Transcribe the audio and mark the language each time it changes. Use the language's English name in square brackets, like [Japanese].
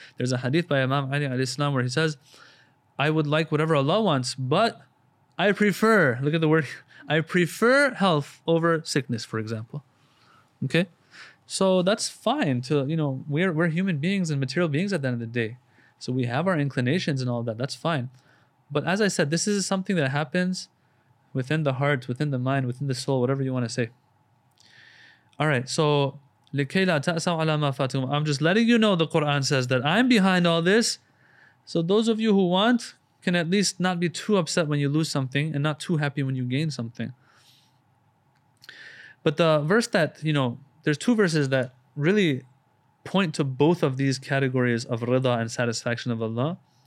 [English] There's a hadith by Imam Ali alayhi salam where he says, I would like whatever Allah wants, but I prefer, look at the word, I prefer health over sickness, for example. Okay? So that's fine to, you know, we're human beings and material beings at the end of the day. So we have our inclinations and all that. That's fine. But as I said, this is something that happens within the heart, within the mind, within the soul, whatever you want to say. All right, so [Arabic] لِكَيْ لَا تَأْسَوْ عَلَى مَا فَاتَكُمْ. [English] I'm just letting you know the Quran says that I'm behind all this. So those of you who want can at least not be too upset when you lose something and not too happy when you gain something. But the verse that, you know, there's two verses that really point to both of these categories of rida and satisfaction of Allah.